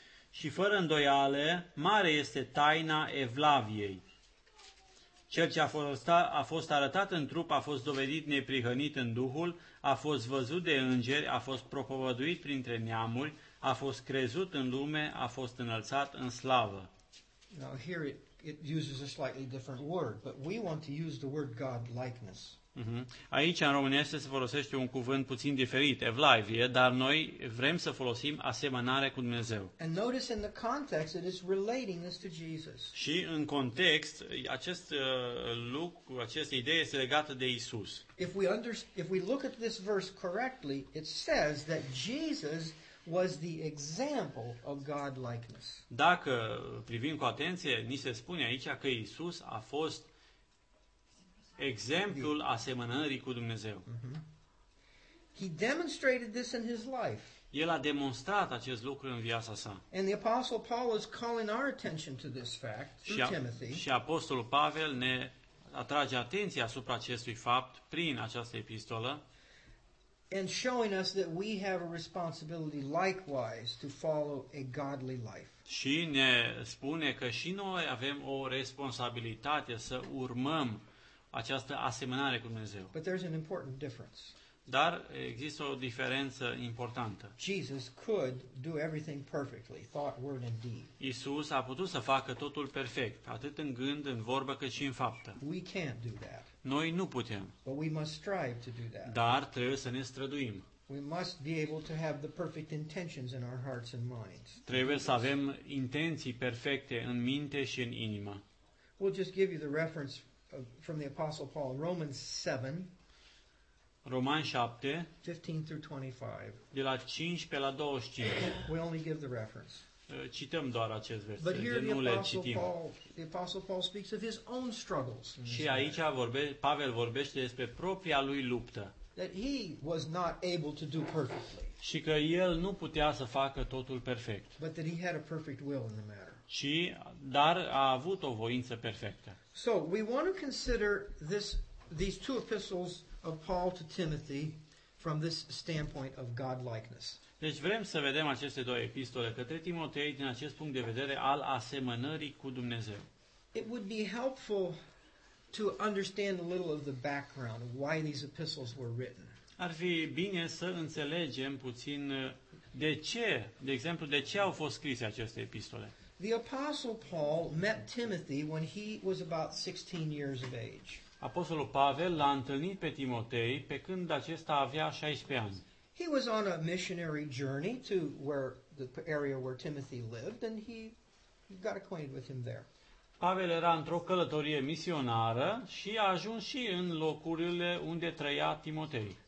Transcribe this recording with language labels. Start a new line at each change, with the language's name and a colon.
Romanian: Și fără îndoială, mare este taina evlaviei. Cel ce a fost arătat în trup, a fost dovedit neprihănit în Duhul, a fost văzut de îngeri, a fost propovăduit printre neamuri, a fost crezut în lume, a fost înălțat în slavă.
English: Now here it uses a slightly different word, but we want to use the word God-likeness.
Romanian: Aici în românește se folosește un cuvânt puțin diferit, evlavie, dar noi vrem să folosim asemănare cu Dumnezeu.
English: And notice in the context it is relating this to Jesus.
Romanian: Și în context, acest lucru, această idee este legată de Isus.
English: If we look at this verse correctly, it says that Jesus was the example of God-likeness.
Romanian: Dacă privim cu atenție, ni se spune aici că Isus a fost exemplul asemănării cu Dumnezeu.
English: He demonstrated this in his life.
Romanian: El a demonstrat acest lucru în viața sa.
English: And the apostle Paul is calling our attention to this fact through Timothy.
Romanian: Și apostolul Pavel ne atrage atenția asupra acestui fapt prin această epistolă.
English: And showing us that we have a responsibility likewise to follow a godly life.
Romanian: Și ne spune că și noi avem o responsabilitate să urmăm această asemănare cu Dumnezeu.
English: But there's an important difference.
Romanian: Dar există o diferență importantă.
English: Jesus could do everything perfectly, thought, word and deed.
Romanian: Isus a putut să facă totul perfect, atât în gând, în vorbă, cât și în faptă.
English: We can't do that.
Romanian: Noi nu putem.
English: But we must strive to do that.
Romanian: Dar trebuie să ne străduim.
English: We must be able to have the perfect intentions in our hearts and minds.
Romanian: Trebuie să avem intenții perfecte în minte și în inimă.
English: We'll just give you the reference from the Apostle Paul, Romans 7.
Romanian: Romani 7.
English: 15-25.
Romanian: De la 15 la 25.
English: We only give the reference.
Romanian: Cităm doar acest verset,
English: but here
Romanian: nu le citim.
English: The Apostle Paul speaks of his own struggles.
Romanian: Și aici Pavel vorbește despre propria lui luptă.
English: That he was not able to do perfectly.
Romanian: Și că el nu putea să facă totul perfect.
English: But that he had a perfect will in the matter.
Romanian: Și dar a avut o voință perfectă.
English: So, we want to consider these two epistles of Paul to Timothy from this standpoint of godlikeness.
Romanian: Deci vrem să vedem aceste două epistole către Timotei din acest punct de vedere al asemănării cu Dumnezeu.
English: It would be helpful to understand a little of the background of why these epistles were written.
Romanian: Ar fi bine să înțelegem puțin de ce, de exemplu, de ce au fost scrise aceste epistole.
English: The Apostle Paul met Timothy when he was about 16 years of age.
Romanian: Apostolul Pavel l-a întâlnit pe Timotei pe când acesta avea 16 ani.
English: He was on a missionary journey to where the area where Timothy lived, and he got acquainted with him there.
Romanian: Pavel era într-o călătorie misionară și a ajuns și în locurile unde trăia Timotei.